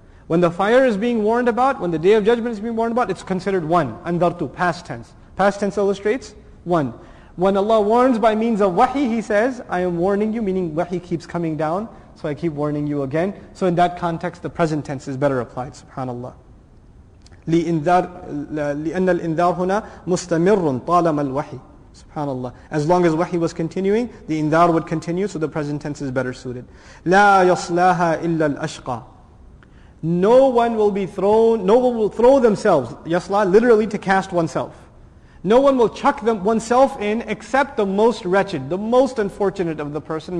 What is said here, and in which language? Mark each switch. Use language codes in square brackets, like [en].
[en] When the fire is being warned about, when the Day of Judgment is being warned about, it's considered one, andartu, past tense. Past tense illustrates, one. When Allah warns by means of wahi, He says, I am warning you, meaning wahi keeps coming down, so I keep warning you again. So in that context, the present tense is better applied, subhanAllah. [ar] لِأَنَّ الْإِنذَارُ هُنَا مُسْتَمِرٌ طَالَمَ الْوَحِي SubhanAllah. [en] As long as wahi was continuing, the indar would continue, so the present tense is better suited. [ar] لَا يَصْلَاهَا إِلَّا الْأَشْقَى [en] No one will be thrown, no one will throw themselves, yasla, literally to cast oneself. No one will chuck oneself in except the most wretched, the most unfortunate of the person.